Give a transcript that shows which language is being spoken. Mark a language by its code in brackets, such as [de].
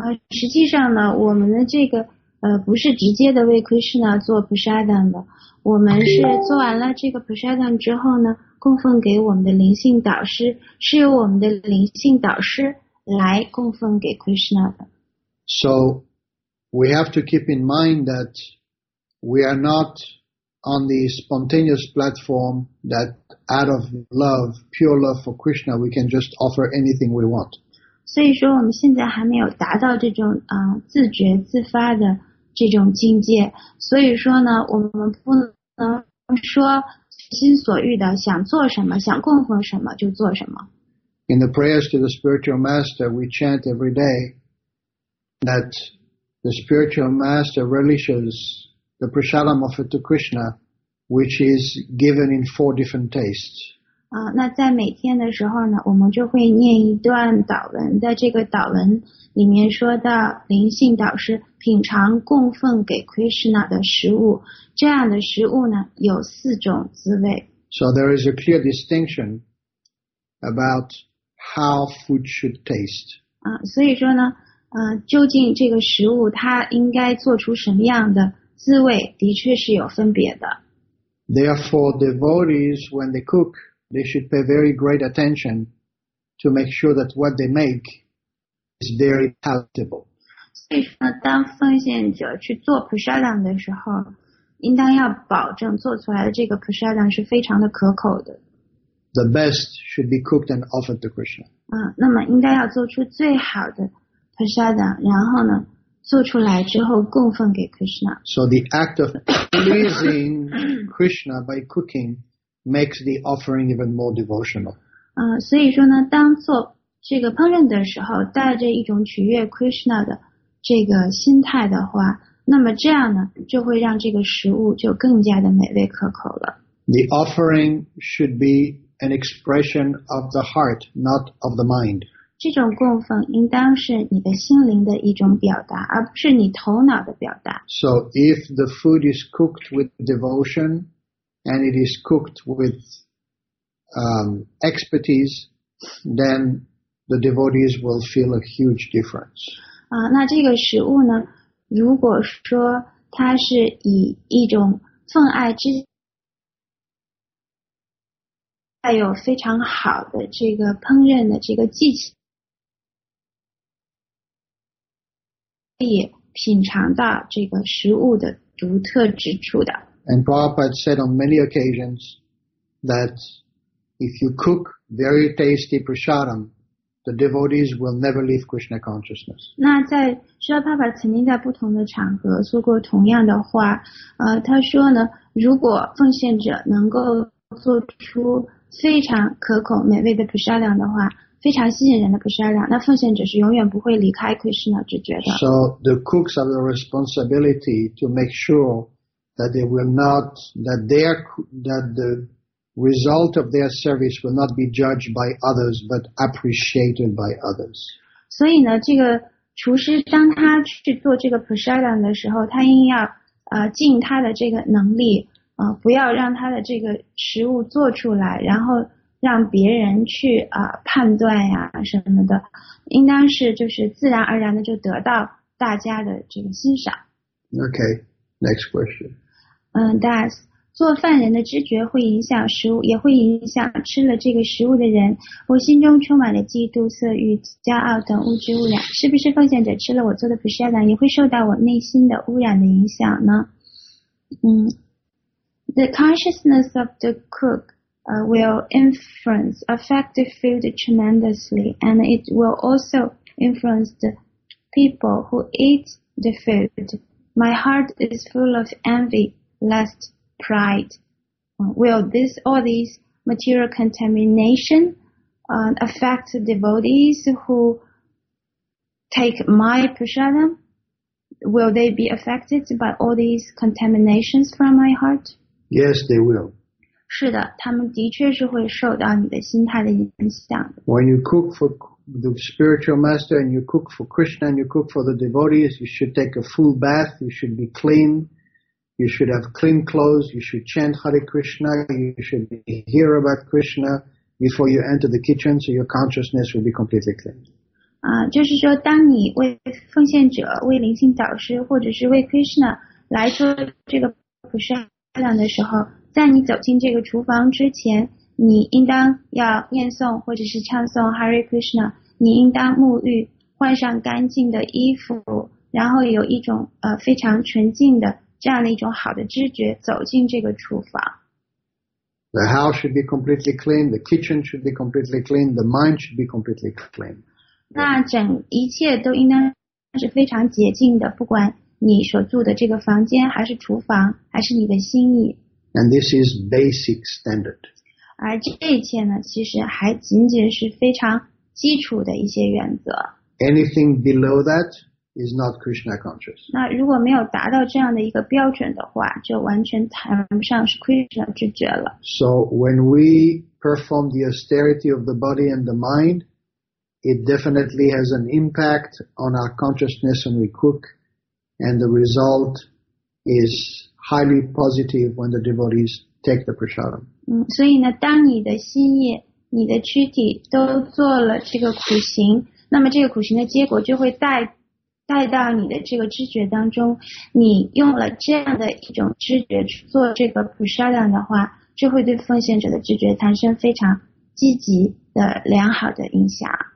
[zh] 实际上呢，我们的这个不是直接的为 Krishna 做 prasadam 的，我们是做完了这个 prasadam 之后呢，供奉给我们的灵性导师，是由我们的灵性导师来供奉给 Krishna 的。 [en] So we have to keep in mind that we are not on the spontaneous platform that out of love, pure love for Krishna, we can just offer anything we want. [zh] 所以说我们现在还没有达到这种自觉自发的这种境界。所以说呢我们不能说随心所欲的想做什么想供奉什么就做什么。 [en] In the prayers to the spiritual master, we chant every day that the spiritual master relishes the prasadam offered to Krishna, which is given in four different tastes. [zh] 那在每天的时候呢，我们就会念一段祷文，在这个祷文里面说到灵性导师品尝供奉给 Krishna 的食物，这样的食物呢有四种滋味。 [en] So there is a clear distinction about how food should taste. [zh] 所以说呢，究竟这个食物它应该做出什么样的滋味的确是有分别的。 [en] Therefore, devotees, when they cook, they should pay very great attention to make sure that what they make is very palatable. [zh] 所以说，当奉献者去做 prasadam 的时候，应当要保证做出来的这个 prasadam 是非常的可口的。 [en] The best should be cooked and offered to Krishna. [zh] 那么应该要做出最好的 prasadam， 然后呢？做出来之后供奉给 Krishna. [en] So the act of pleasing Krishna by cooking makes the offering even more devotional. [zh] 所以说呢，当做这个烹饪的时候，带着一种取悦 Krishna 的这个心态的话，那么这样呢，就会让这个食物就更加的美味可口了。 [en] The offering should be an expression of the heart, not of the mind. [zh] 这种供奉应当是你的心灵的一种表达，而不是你头脑的表达。 [en] So if the food is cooked with devotion and it is cooked with expertise, then the devotees will feel a huge difference. [zh] 那这个食物呢，如果说它是以一种分爱之带有非常好的这个烹饪的这个技巧也品尝到这个食物的独特之处的。 [en] And Prabhupada said on many occasions that if you cook very tasty prasadam, the devotees will never leave Krishna consciousness. [zh] 那在释迦牟尼佛曾经在不同的场合说过同样的话，他说呢，如果奉献者能够做出非常可口美味的 prasadam 的话。非常吸引人的 prasadam， 那奉献者是永远不会离开 Krishna 之觉的。 [en] So the cooks have the responsibility to make sure that they will not that their that the result of their service will not be judged by others but appreciated by others. [zh] 所以呢，这个厨师当他去做这个 prasadam 的时候，他应要尽他的这个能力，不要让他的这个食物做出来，然后。让别人去判断呀什么的，应当是就是自然而然的就得到大家的这个欣赏。 [en] Okay, next question. [zh] Das 做饭人的知觉会影响食物，也会影响吃了这个食物的人。我心中充满了嫉妒、色欲、骄傲等物质污染，是不是奉献者吃了我做的 prasadam 也会受到我内心的污染的影响呢？ [en] The consciousness of the cook. Will influence affective food tremendously, and it will also influence the people who eat the food. My heart is full of envy, lust, pride. Will this, all these material contamination, affect the devotees who take my prasadam? Will they be affected by all these contaminations from my heart? Yes, they will. [zh] 是的，他们的确是会受到你的心态的影响。 [en] When you cook for the spiritual master and you cook for Krishna and you cook for the devotees, you should take a full bath, you should be clean, you should have clean clothes, you should chant Hare Krishna, you should hear about Krishna, before you enter the kitchen, so your consciousness will be completely clean. [zh] 就是说当你为奉献者为灵性导师或者是为 Krishna 来做这个普世阿难的时候在你走进这个厨房之前你应当要念诵或者是唱诵 Hare Krishna 你应当沐浴换上干净的衣服然后有一种非常纯净的这样的一种好的知觉走进这个厨房 [en] The house should be completely clean The kitchen should be completely clean The mind should be completely clean [zh] 那整一切都应当是非常洁净的不管你所住的这个房间还是厨房还是你的心意 [en] And this is basic standard [zh] 而这一切呢其实还仅仅是非常基础的一些原则 [en] Anything below thatis not Krishna conscious. [zh] 那如果没有达到这样的一个标准的话就完全谈不上是 Krishna 知觉了。 [en] So when we perform the austerity of the body and the mind, it definitely has an impact on our consciousness when we cook, and the result is highly positive when the devotees take the prasadam. [zh] 所以呢当你的心意你的躯体都做了这个苦行那么这个苦行的结果就会带到你的这个知觉当中你用了这样的一种知觉去做这个普沙量的话就会对奉献者的知觉产生非常积极的良好的影响